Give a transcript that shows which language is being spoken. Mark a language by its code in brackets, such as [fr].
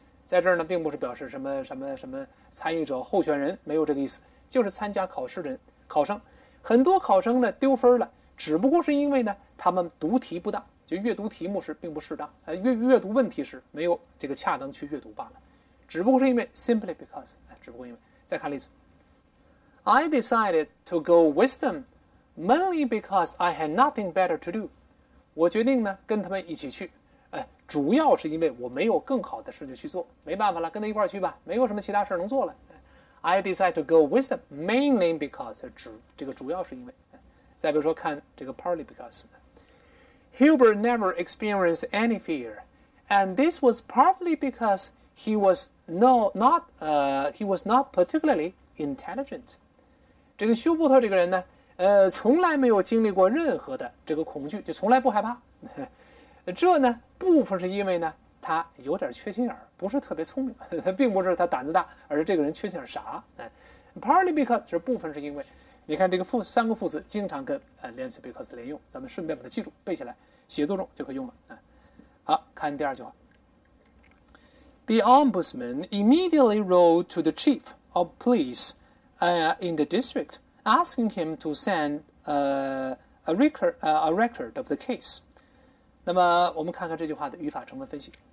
[zh] 在这儿呢并不是表示什么什么什么参与者候选人，没有这个意思，就是参加考试的人考生。很多考生呢丢分了，只不过是因为呢他们读题不当，就阅读题目时并不适当，阅读问题时没有这个恰当去阅读罢了，只不过是因为 [en] simply because， [zh] 只不过因为。再看例子。 [en] I decided to go with them mainly because I had nothing better to do。 [zh] 我决定呢跟他们一起去，主要是因为我没有更好的事情去做，没办法了，跟他一块去吧，没有什么其他事能做了。 [en] I decide to go with them mainly because， [zh] 这个主要是因为。再比如说看这个 [en] partly because。 Hubert never experienced any fear and this was partly because he was not particularly intelligent。 [zh] 这个休伯特这个人呢从来没有经历过任何的这个恐惧，就从来不害怕。这呢部分是因为呢他有点缺心眼，不是特别聪明，并不是他胆子大，而是这个人缺心眼傻。 [en] Partly because [zh] 是部分是因为。你看这个三个副词经常跟连词 because 连用，咱们顺便把它记住背下来，写作中就可以用了。好，看第二句话。 [en] The ombudsman immediately wrote to the chief of police in the districtasking him to send a record of the case。 [zh] 那么我们看看这句话的语法成分分析。